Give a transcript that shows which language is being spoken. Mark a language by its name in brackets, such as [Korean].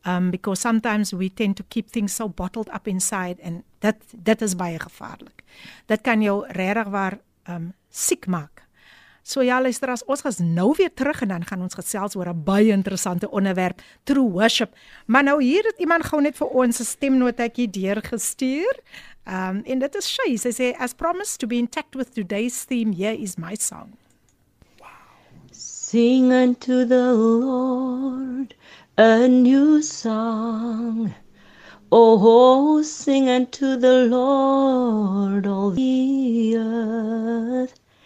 [English] Because sometimes we tend to keep things so bottled up inside and that is [Afrikaans] baie gevaarlik. Dit kan jou regtig waar siek maak. So ja, luister, as ons gas nou weer terug en dan gaan ons gesels oor 'n baie interessante onderwerp, [English] true worship. [Afrikaans] Maar nou hier het iemand gou net vir ons 'n stemnotetjie deurgestuur. En dit is Shay. Sy sê, [English] "As promised to be intact with today's theme, here is my song." Wow. Sing unto the Lord a new song. Oh, sing unto the Lord all the earth.